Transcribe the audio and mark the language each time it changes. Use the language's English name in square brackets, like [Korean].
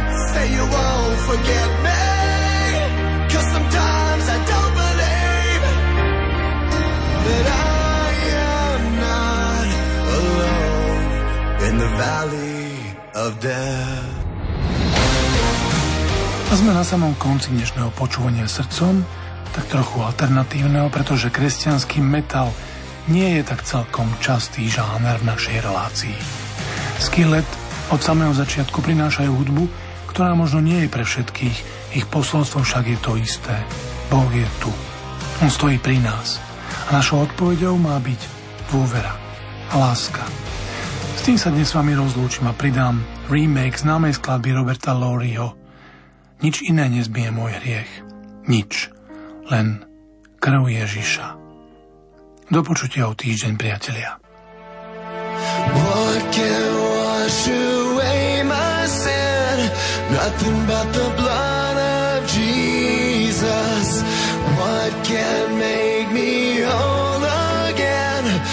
[English] Say you won't forget me, 'cause sometimes I don't believe that I am not alone in the valley of death. [Slovak] A sme na samom konci dnešného počúvania srdcom, tak trochu alternatívneho, pretože kresťanský metal nie je tak celkom častý žáner v našej relácii. Skillet od samého začiatku prinášajú hudbu, ktorá možno nie je pre všetkých, ich posolstvo však je to isté. Boh je tu. On stojí pri nás. A našou odpoveďou má byť dôvera a láska. S tým sa dnes s vami rozlúčim a pridám remake známej skladby Roberta Lorryho. Nič iné nezbije môj hriech. Nič. Len krv Ježiša. Do počutia o týždeň, priatelia. [English] What can wash away my sin? Nothing but the blood of Jesus. What can make me whole again?